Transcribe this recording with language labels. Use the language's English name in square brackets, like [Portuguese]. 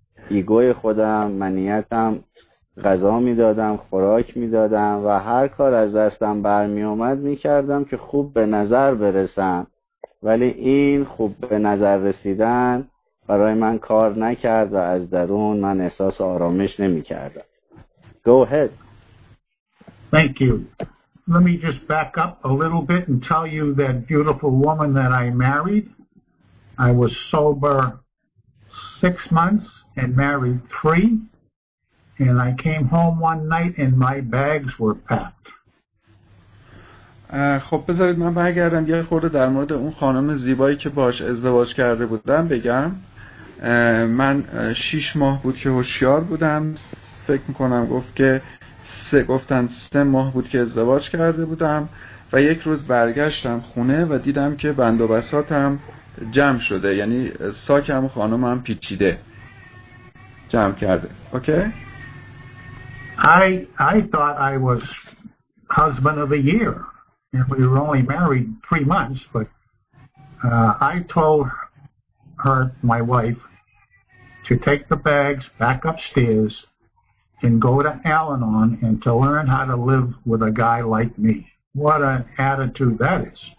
[Persian] ایگوی خودم، منیتم غذا میدادم، خوراک میدادم و هر کار از دستم برمی اومد میکردم که خوب به نظر برسم، ولی این خوب به نظر رسیدن برای من کار نکرد و از درون من احساس آرامش نمیکردم. [English] Go ahead. Thank you. Let me just back up a little bit and tell you that beautiful woman that I married, I was sober 6 months and married 3. And I came home one night and my bags were packed. [Persian] خب بذارید من برگردم یه خورده در مورد اون خانم زیبایی که باش ازدواج کرده بودم بگم. من 6 ماه بود که هوشیار بودم. فکر میکنم گفت که سه ماه بود که ازدواج کرده بودم و یک روز برگشتم خونه و دیدم که بند و بساطم جمع شده، یعنی ساکم خانمم پیچیده جمع کرده. اوکی؟ [English] I thought I was husband of the year, and we were only married 3 months, but I told her, my wife, to take the bags back upstairs and go to Al-Anon and to learn how to live with a guy like me. What an attitude that is.